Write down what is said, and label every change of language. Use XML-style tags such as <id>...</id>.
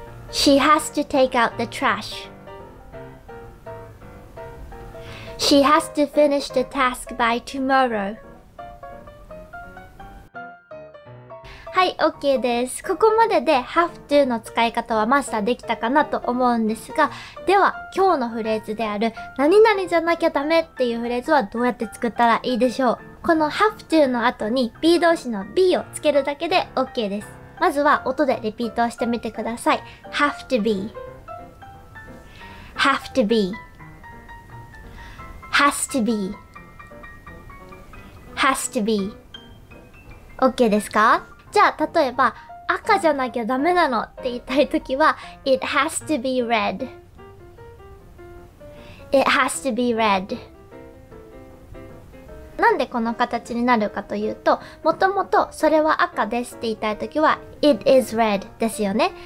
<en>She has to take out the trash。 She has to finish the task by tomorrow。</en> <ja>はい、 OK です。ここまでで have to の使い方はマスターできたかなと思うんですが、では今日のフレーズである何々じゃなきゃダメっていうフレーズはどうやって作ったらいいでしょう。この have to の後に be 動詞の be をつけるだけで OK です。まずは音でリピートをしてみてください。</ja> <en>have to be、 have to beHas to be. Has to be. OK</en> <ja>ですか？じゃあ例えば赤じゃなきゃダメなのって言いたいときは</ja> <en>It has to be red. It has to be red.</en> <ja>なんでこの形になるかというと、もともとそれは赤ですって言いたいときは</ja> <en>It is red</en> <ja>ですよね。</ja>